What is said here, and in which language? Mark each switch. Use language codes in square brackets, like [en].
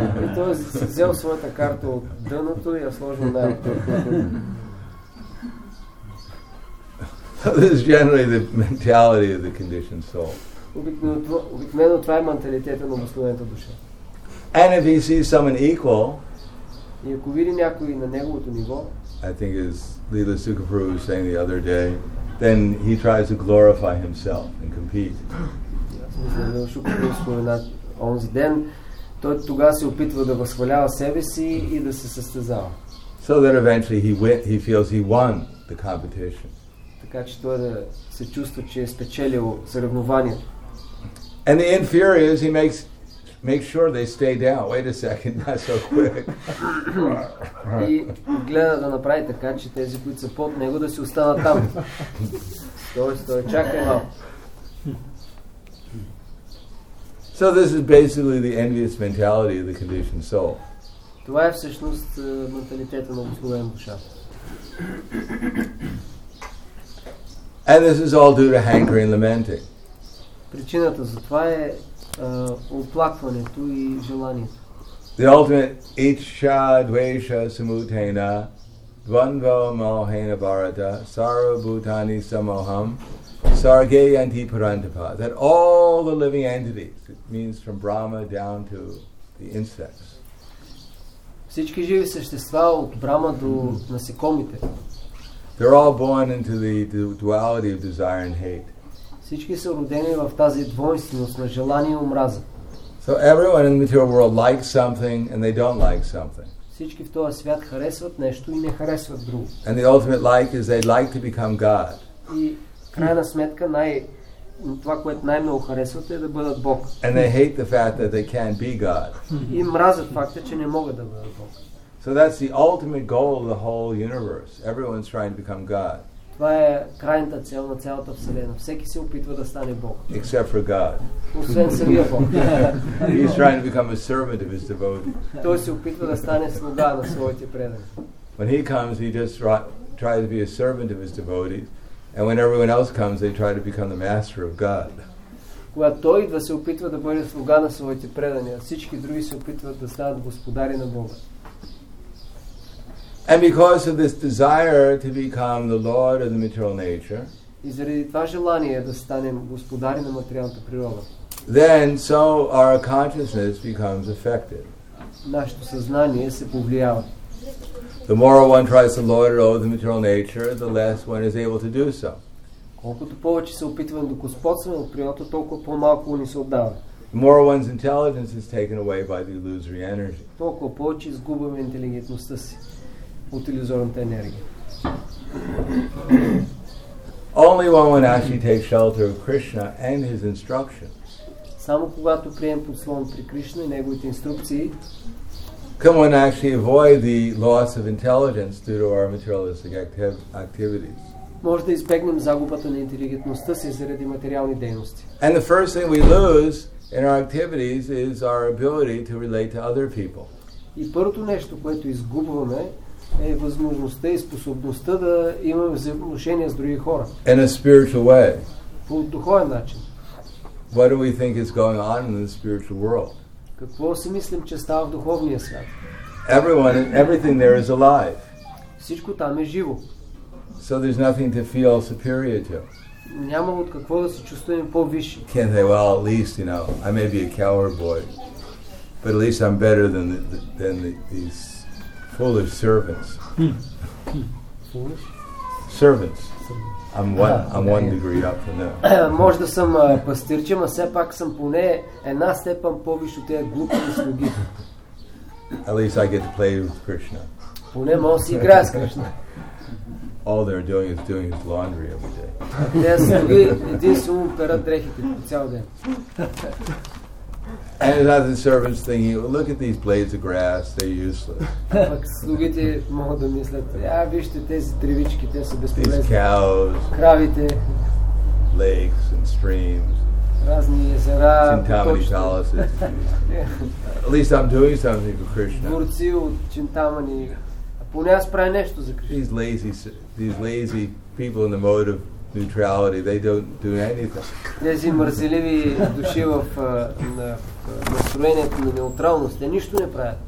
[bg] И той си взел своята карта от дъното и я сложил най-отдолу. [en] So this is generally the mentality of the conditioned soul. [bg] Обикновено това е менталитета на обусловената душа. [en] And if he sees someone equal, [bg] и ако види някой на неговото ниво, [en] I think as Lila Sukhapuru was saying the other day, then he tries to glorify himself and compete. [bg] Лила Сукхапуру спомена онзи ден, той тогава се опитва да възхвалява себе си и да се състезава. [en] So that eventually he feels he won the competition. [bg] Така че той да се чувства, че е спечелил съревнованието. [en] And the inferiors, he makes make sure they stay down. Wait a second, not so quick. [bg] И гледа да направи така, че тези, които са под него, да си останат там. Стой, чакай малко. [en] So this is basically the envious mentality of the conditioned soul. [bg] Това е всъщност менталитета на обусловена душа. [en] And this is all due to hankering and lamenting. [bg] Причината за това е оплакването и желанието. [en] The ultimate [sa] ichcha, dvesha, samutena, Dvandva Mohena Bharata Sarva Bhutani Samoham Sarge Antiparantapa, [en] that all the living entities, it means from Brahma down to the insects. [bg] Всички живи същества от Брама до насекомите. [en] They're all born into the duality of desire and hate. [bg] Всички са родени в тази двойственост на желание и омраза. [en] So everyone in the material world likes something and they don't like something. [bg] Всички в този свят харесват нещо и не харесват друго. [en] And the ultimate like is they like to become God. [bg] И крайна сметка това, което най-много харесват е да бъдат Бог. [en] And they hate the fact that they can't be God. [bg] И мразят факта, че не могат да бъдат Бог. [en] So that's the ultimate goal of the whole universe. Everyone's trying to become God. [bg] Това е крайната цел на цялата вселена. Всеки се опитва да стане Бог. [en] Except for God. [bg] Освен самия Бог. [en] He's trying to become a servant of his devotees. [bg] Той се опитва да стане слуга на своите предани. [en] When he comes, he just tries to be a servant of his devotees. And when everyone else comes, they try to become the master of God. [bg] Когато той идва, се опитва да бъде слуга на своите предани, а всички други се опитват да станат господари на Бога. [en] And because of this desire to become the lord of the material nature, [bg] и заради това желание да станем господари на материалната природа, [en] then so our consciousness becomes affected. [bg] Нашето съзнание се повлиява. [en] The more one tries to lord it over the material nature, the less one is able to do so. [bg] Колкото повече се опитваме да господстваме над природата, толкова по-малко ни се отдава. [en] The more one's intelligence is taken away by the illusory energy. [bg] Толкова повече изгубваме интелигентността си от илюзорната енергия. [en] Only when one actually takes shelter of Krishna and his instructions. [bg] Само когато приемем подслон при Кришна и неговите инструкции, [en] can one actually avoid the loss of intelligence due to our materialistic activities? [bg] Може да избегнем загубата на интелигентността си заради материални дейности. [en] And the first thing we lose in our activities is our ability to relate to other people. [bg] И първото нещо, което изгубваме, е възможността и способността да имаме взаимоотношения с други хора. [en] In a spiritual way. [bg] По духовен начин. [en] What do we think is going on in the spiritual world? [bg] Какво си мислим, че става в духовния свят? [en] Everyone and everything there is alive. [bg] Всичко там е живо. [en] So there's nothing to feel superior to. [bg] Няма от какво да се чувстваме по-висши. [en] Can't say, well, at least, you know, I may be a coward boy, but at least I'm better than these foolish servants. Foolish? Servants. I'm one degree up from them. [bg] Може да съм пастирче, но все пак съм поне една степен по-виш от тези глупи слуги. [en] At least I get to play with Krishna. [bg] Поне мога си играя с Кришна. [en] All they're doing his laundry every day. [bg] Те слуги единствено перат дрехите по цял ден. [en] And it's not the servants thinking, well, look at these blades of grass, they're useless. [bg] Пък слугите могат да мислят, а вижте тези тревички, те са безполезни. [en] These cows, [bg] кравите, [en] lakes and streams, [bg] разни езера, [en] Чинтамани palaces. Yeah. At least I'm doing something for Krishna. [bg] Бурци от Чинтамани, поне аз правя нещо за Кришна. [en] These lazy people in the mode of neutrality, they don't do anything. [bg] Тези мързеливи души в настроението на неутралност, те нищо не правят.